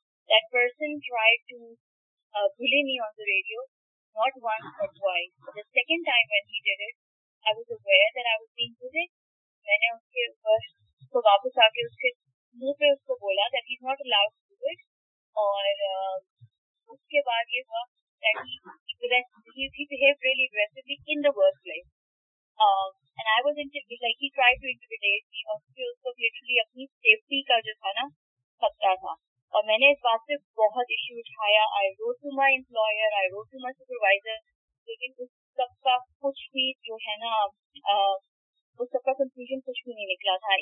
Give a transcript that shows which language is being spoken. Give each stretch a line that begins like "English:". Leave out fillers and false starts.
English: That person tried to bully me on the radio not once but twice. The second time when he did it I was aware that I was being bullied.
Urdu: میں نے اس کے اوپر کو واپس آ کے اس کے منہ پہ اس کو بولا
English: That he is not allowed to do it.
Urdu: اور اس کے بعد یہ ہوا
English: he behaved really aggressively in the workplace. And I was he tried to intimidate me.
Urdu: اور پھر اس کو لٹرلی اپنی سیفٹی کا جو تھا نا خطرہ تھا. اور میں نے اس بات سے بہت ایشو اٹھایا.
English: I wrote to my employer, I wrote to my supervisor,
Urdu: لیکن اس سب کا کچھ بھی جو ہے نا اس سب کا کنفیوژن کچھ بھی نہیں نکلا تھا.